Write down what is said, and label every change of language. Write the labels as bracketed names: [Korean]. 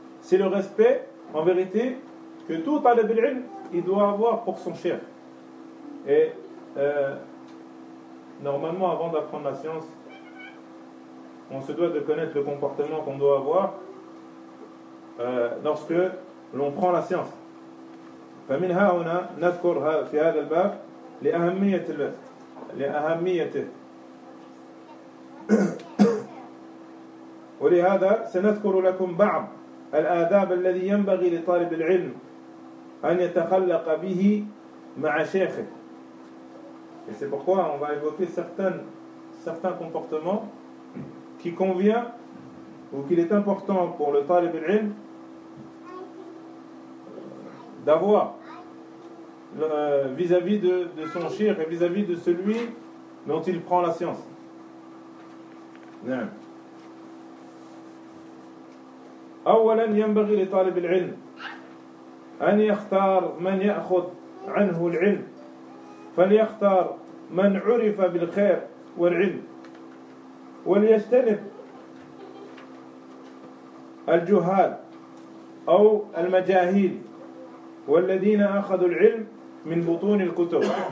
[French] C'est le respect en vérité que tout talib al-ilm il doit avoir pour son cher. Et normalement, avant d'apprendre la science, on se doit de connaître le comportement qu'on doit avoir lorsque l'on prend la science. [Arabic] فمن هنا نذكر في هذا الباب لأهمية لأهميته ولهذا سنذكر لكم بعض الآداب الذي ينبغي لطالب العلم أن يتخلق به مع شيخه. [French] Et c'est pourquoi on va évoquer certains comportements qui convient ou qu'il est important pour le talib al-ilm d'avoir vis-à-vis de son shir et vis-à-vis de celui dont il prend la science. [Arabic] أولا ينبغي لطالب العلم أن يختار من يأخذ عنه العلم فليختار من عرف بالخير والعلم وليجتنب الجهال أو المجاهيل والذين أخذوا العلم من بطون الكتب.